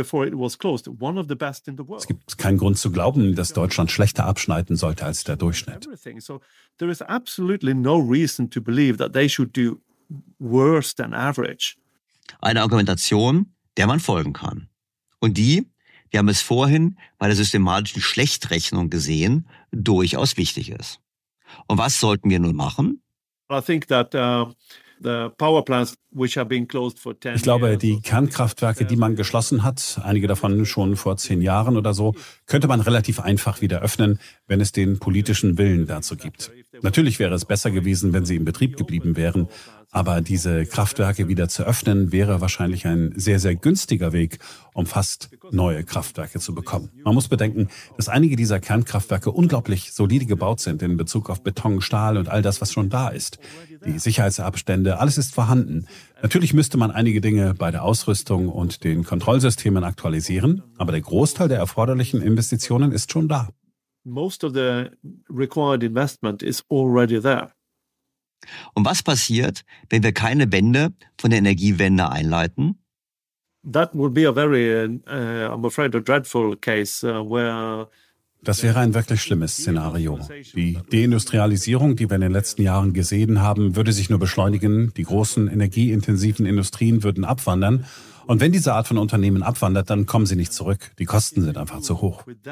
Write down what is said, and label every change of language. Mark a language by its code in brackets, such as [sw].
[de] Es gibt keinen Grund zu glauben, dass Deutschland schlechter abschneiden sollte als der Durchschnitt. [en] There is absolutely no reason to believe that they should do worse than average. [de] Eine Argumentation, der man folgen kann. Und die, wir haben es vorhin bei der systematischen Schlechtrechnung gesehen, durchaus wichtig ist. Und was sollten wir nun machen? [en] I think that the power plants which have been closed for 10 years. [de] Ich glaube, die Kernkraftwerke, die man geschlossen hat, einige davon schon vor 10 Jahren oder so, könnte man relativ einfach wieder öffnen, wenn es den politischen Willen dazu gibt. Natürlich wäre es besser gewesen, wenn sie im Betrieb geblieben wären. Aber diese Kraftwerke wieder zu öffnen, wäre wahrscheinlich ein sehr, sehr günstiger Weg, um fast neue Kraftwerke zu bekommen. Man muss bedenken, dass einige dieser Kernkraftwerke unglaublich solide gebaut sind in Bezug auf Beton, Stahl und all das, was schon da ist. Die Sicherheitsabstände, alles ist vorhanden. Natürlich müsste man einige Dinge bei der Ausrüstung und den Kontrollsystemen aktualisieren, aber der Großteil der erforderlichen Investitionen ist schon da. [en] Most of the required investment is already there. [de] Und was passiert, wenn wir keine Wende von der Energiewende einleiten? [en] That would be a very, I'm afraid, a dreadful case where [de] Das wäre ein wirklich schlimmes Szenario. Die Deindustrialisierung, die wir in den letzten Jahren gesehen haben, würde sich nur beschleunigen. Die großen energieintensiven Industrien würden abwandern. Und wenn diese Art von Unternehmen abwandert, dann kommen sie nicht zurück. Die Kosten sind einfach zu hoch.